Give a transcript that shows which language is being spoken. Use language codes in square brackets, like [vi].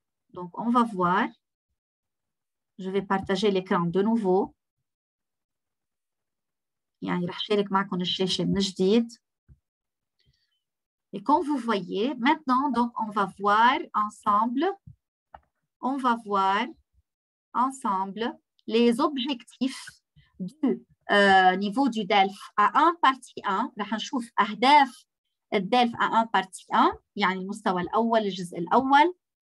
[fr] Donc, on va voir. Je vais partager l'écran de nouveau. [ar] يعني رح شارك معكم الشاشة من جديد. [fr] Et comme vous voyez, maintenant, donc, on va voir ensemble. On va voir ensemble les objectifs du niveau du DELF A1 partie 1. [ar] رح نشوف أهداف الDELF A1 partie 1. يعني المستوى الأول, الجزء الأول.